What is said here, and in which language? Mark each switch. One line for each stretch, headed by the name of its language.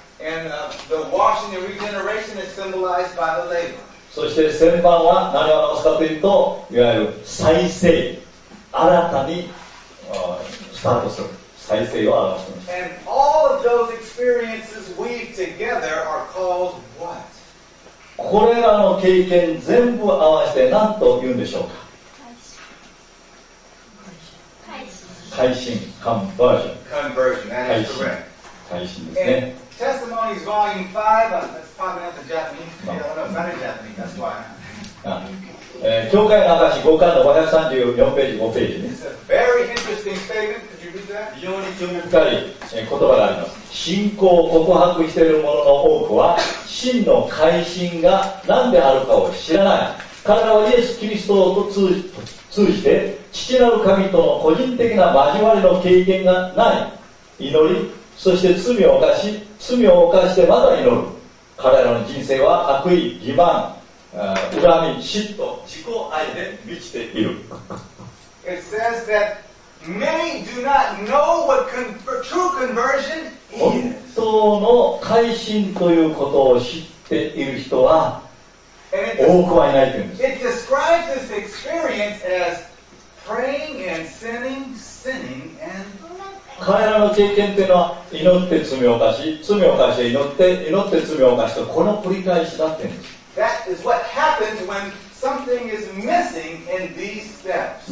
English: And the washing and regeneration is symbolized by the labor
Japanese: そして旋盤は何を表すかというと、いわゆる再生、新たにスタートする、再生を表しています。
English: And all of those experiences weave together are called what?
Japanese: これらの経験全部合わせて何と言うんでしょうか。改心。
English: Conversion。 Conversion, that is correct.
Japanese: 改心ですね。
English: Testimonies Volume 5, that's probably not the Japanese, I don't know, not in Japanese, that's why.
Japanese: 教会の証し5巻の534ページ、5ページ。
English: It's a very interesting statement, could you read that?
Japanese: 非常に興味深い言葉があります。信仰を告白している者の多くは、真の戒心が何であるかを知らない。彼らはイエス・キリストと通じて、父なる神との個人的な交わりの経験がない。祈り、そして罪を犯してまだ祈る。彼らの人生は悪意、欺瞞、恨み、嫉妬、自己愛で満ちている。
English: It says that many do not know what true conversion is.
Japanese: 本当の改心ということを知っている人は多くはいないというんです。
English: It describes this experience as praying and sinning, sinning and
Japanese: 彼らの経験というのは祈って罪を犯し、罪を犯して祈って罪を犯しと、この繰り返しだっていうんです。
English: That is what happens when something is missing in these steps.